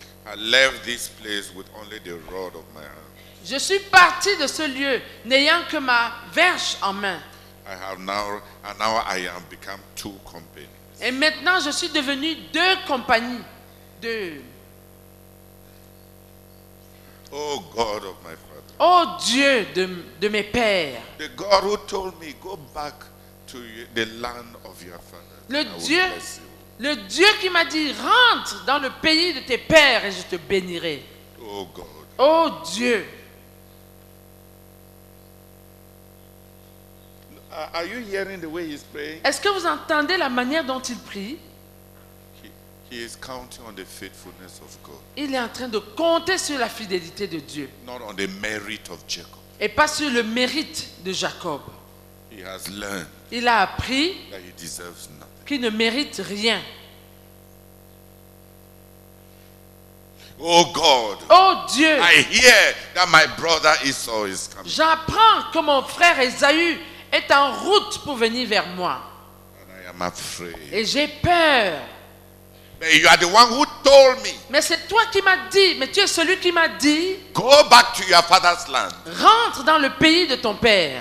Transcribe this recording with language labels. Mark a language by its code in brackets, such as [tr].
[en] I left this place with only the rod of my hand. [fr] Je suis parti de ce lieu n'ayant que ma verge en main. [en] I have now, and now I have become two companions. [fr] Et maintenant, je suis devenu deux compagnies. Deux. [en] Oh God of my father. [fr] Oh Dieu de mes pères. [en] The God who told me go back to the land of your father. [fr] Le Dieu qui m'a dit rentre dans le pays de tes pères et je te bénirai. [en] Oh God. [fr] Oh Dieu. [en] Are you hearing the way he's praying? [fr] Est-ce que vous entendez la manière dont il prie? [en] He is counting on the faithfulness of God. [fr] Il est en train de compter sur la fidélité de Dieu. [en] Not on the merit of Jacob. [fr] Et pas sur le mérite de Jacob. [en] He has learned. [fr] Il a appris [en] that he deserves nothing. [fr] Qu'il ne mérite rien. [en] Oh God. [fr] Oh Dieu. [en] I hear that my brother Esau is coming. [fr] J'apprends que mon frère Esaü est en route pour venir vers moi. [en] And I am afraid. [fr] Et j'ai peur. [en] You are the one who told me. [fr] Mais c'est toi qui m'as dit, mais tu es celui qui m'a dit. [en] Go back to your father's land. [fr] Rentre dans le pays de ton père.